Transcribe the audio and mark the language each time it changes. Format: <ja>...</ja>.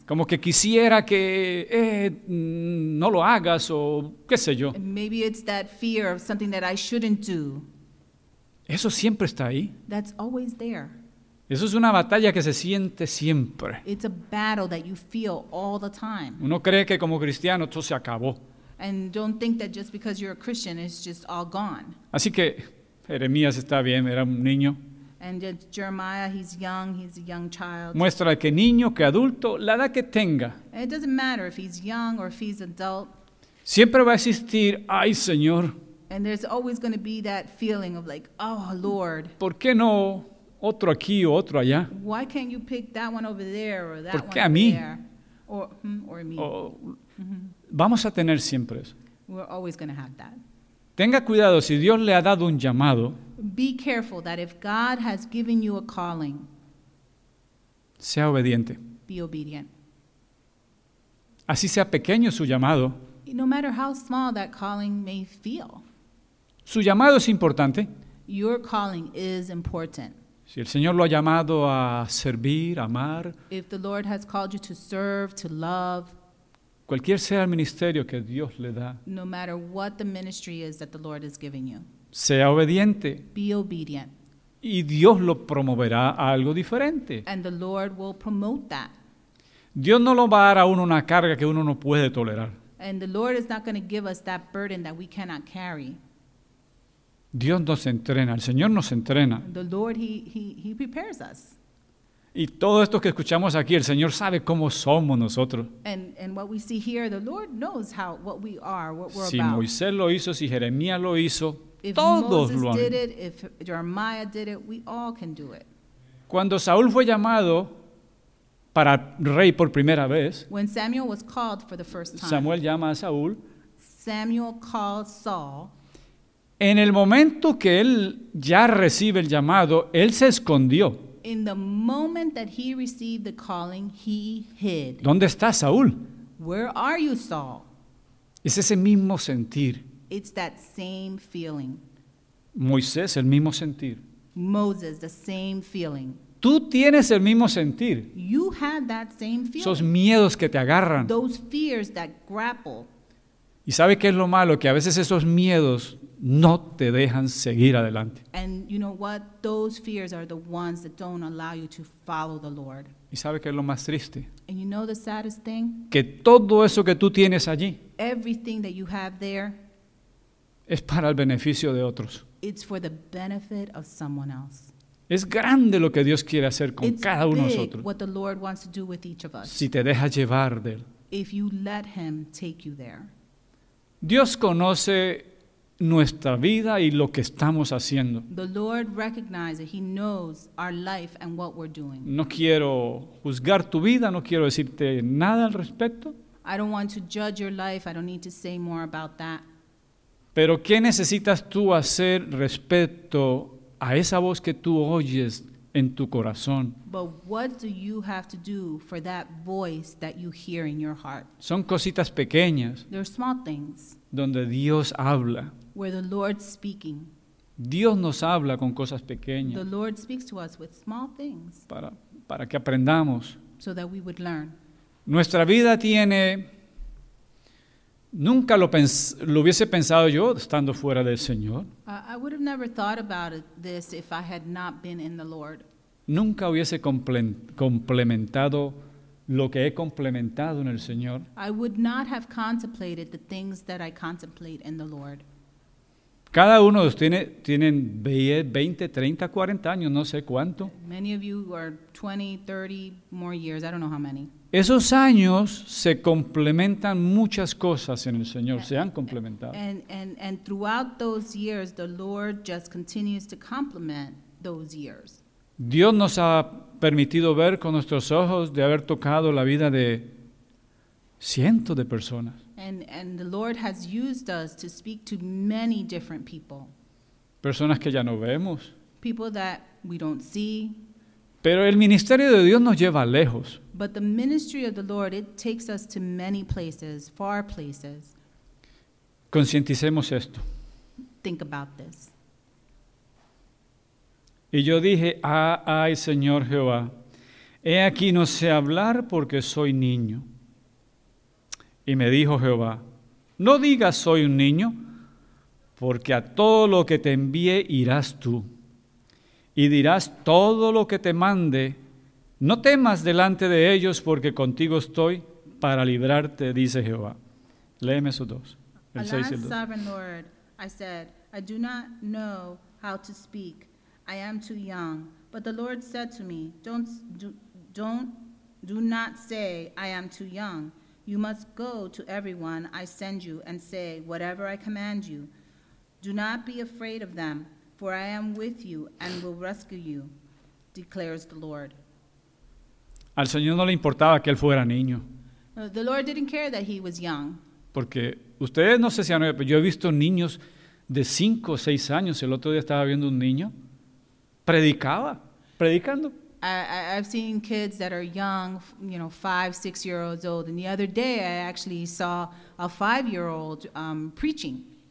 <es>Como que quisiera que no lo hagas o qué sé yo.</es> <en>Maybe it's that fear of something that I shouldn't do.</en> <es>Eso siempre está ahí.</es> <en>That's always there.</en> <es>Eso es una batalla que se siente siempre.</es> <en>It's a battle that you feel all the time.</en> <es>Uno cree que como cristiano todo se acabó.</es> <en>And don't think that just because you're a Christian it's just all gone.</en> <es>Así que Jeremías está bien, era un niño.</es> <en>And Jeremiah, he's a young child.</en> <es>Muestra que niño, que adulto, la edad que tenga.</es> <en>And it doesn't matter if he's young or if he's adult.</en> <es>Siempre va a existir, ay Señor.</es> <en>And there's always going to be that feeling of like, oh Lord.</en> <es>¿Por qué no? Otro aquí o otro allá.</es> <en>Why can't you pick that one over there or that</en> <es>¿por qué</es> <en>one</en> <es>a mí?</es> <en>There? Or me.</en> <es>Oh, vamos a tener siempre eso.</es> <en>We're always going to have that.</en> <es>Tenga cuidado si Dios le ha dado un llamado.</es> <en>Be careful that if God has given you a calling.</en> <es>Sea obediente.</es> <en>Be obedient.</en> <es>Así sea pequeño su llamado.</es> <en>No matter how small that calling may feel.</en> <es>Su llamado es importante.</es> <en>Your calling is important.</en> <es>Si el Señor lo ha llamado a servir, a amar,</es> <en>if the Lord has called you to serve, to love,</en> <es>cualquier sea el ministerio que Dios le da,</es> <en>no matter what the ministry is that the Lord has given you,</en> <es>sea obediente,</es> <en>be obedient,</en> <es>y Dios lo promoverá a algo diferente,</es> <en>and the Lord will promote that.</en> <es>Dios no lo va a dar a uno una carga que uno no puede tolerar,</es> <en>and the Lord is not going to give us that burden that we cannot carry.</en> <es>Dios nos entrena, el Señor nos entrena.</es> <en>The Lord, he prepares us.</en> <es>Y todo esto que escuchamos aquí, el Señor sabe cómo somos nosotros.</es> <en>And what we see here, the Lord knows how what we are, what we're</en> <es>si</es> <en>about.</en> <es>Si Moisés lo hizo, si Jeremías lo hizo,</es> <en>if</en> <es>todos</es> <en>Moses</en> <es>lo han.</es> <en>Did it, if Jeremiah did it, we all can do it.</en> <es>Cuando Saúl fue llamado para rey por primera vez,</es> <en>when Samuel was called for the first time,</en> <es>Samuel llama a Saúl.</es> <en>Samuel called Saul.</en> <es>En el momento que él ya recibe el llamado, él se escondió.</es> <en>In the moment that he received the calling, he hid.</en> <es>¿Dónde está Saúl?</es> <en>Where are you, Saul?</en> <es>Es ese mismo sentir.</es> <en>It's that same feeling.</en> <es>Moisés, el mismo sentir.</es> <en>Moses, the same feeling.</en> <es>Tú tienes el mismo sentir.</es> <en>You have that same feeling.</en> <es>Esos miedos que te agarran.</es> <en>Those fears that grapple.</en> <es>¿Y sabe qué es lo malo? Que a veces esos miedos no te dejan seguir adelante.</es> <en>And you know what? Those fears are the ones that don't allow you to follow the Lord.</en> <es>¿Y sabe qué es lo más triste?</es> <en>And you know the saddest thing?</en> <es>Que todo eso que tú tienes allí,</es> <en>everything that you have there,</en> <es>es para el beneficio de otros.</es> <en>It's for the benefit of someone else.</en> <es>Es grande lo que Dios quiere hacer con</es> <en>it's</en> <es>cada uno de nosotros.</es> <en>What the Lord wants to do with each of us.</en> <es>Si te deja llevar de él.</es> <en>If you let him take you there.</en> <es>Dios conoce nuestra vida y lo que estamos haciendo.</es> <en>The Lord recognizes, he knows our life and what we're doing.</en> <es>No quiero juzgar tu vida, no quiero decirte nada al respecto.</es> <en>I don't want to judge your life, I don't need to say more about that.</en> <es>Pero ¿qué necesitas tú hacer respecto a esa voz que tú oyes en tu corazón?</es> <en>But what do you have to do for that voice that you hear in your heart?</en> <es>Son cositas pequeñas.</es> <en>They're small things.</en> <es>Donde Dios habla.</es> <en>Where the Lord's speaking.</en> <es>Dios nos habla con cosas pequeñas.</es> <en>The Lord speaks to us with small things.</en> <es>Para que aprendamos.</es> <en>So that we would learn.</en> <es>Nuestra vida tiene, nunca lo hubiese pensado yo estando fuera del Señor.</es> <en>I would have never thought about this if I had not been in the Lord.</en> <es>Nunca hubiese complementado lo que he complementado en el Señor.</es> <en>I would not have contemplated the things that I contemplate in the Lord.</en> <es>Cada uno de ustedes tienen 20, 30, 40 años, no sé cuánto.</es> <en>Many of you are 20, 30 more years, I don't know how many.</en> <es>Esos años se complementan muchas cosas en el Señor, se han complementado.</es> <en>And throughout those years, the Lord just continues to complement those years.</en> <es>Dios nos ha permitido ver con nuestros ojos de haber tocado la vida de cientos de personas.</es> <en>And the Lord has used us to speak to many different people.</en> <es>Personas que ya no vemos.</es> <en>People that we don't see.</en> <es>Pero el ministerio de Dios nos lleva lejos.</es> <en>But the ministry of the Lord, it takes us to many places, far places.</en> <es>Concienticemos esto.</es> <en>Think about this.</en> <es>Y yo dije, ay, Señor Jehová, he aquí no sé hablar porque soy niño. Y me dijo Jehová, no digas soy un niño, porque a todo lo que te envíe irás tú, y dirás todo lo que te mande. No temas delante de ellos, porque contigo estoy para librarte, dice Jehová. Léeme esos dos, el 6 y el 2.</es> <en>Alas, sovereign Lord, I said, I do not know how to speak. I am too young. But the Lord said to me, do not say, I am too young. You must go to everyone I send you and say whatever I command you. Do not be afraid of them, for I am with you and will rescue you, declares the Lord.</en> <es>Al Señor no le importaba que él fuera niño.</es> <en>The Lord didn't care that he was young.</en> <es>Porque ustedes no sé si han oído, pero yo he visto niños de 5 o 6 años. El otro día estaba viendo un niño, predicando.</es> <en>I've seen kids that are young, you know, 5, 6 years old. And the other day, I actually saw a 5-year-old preaching.</en>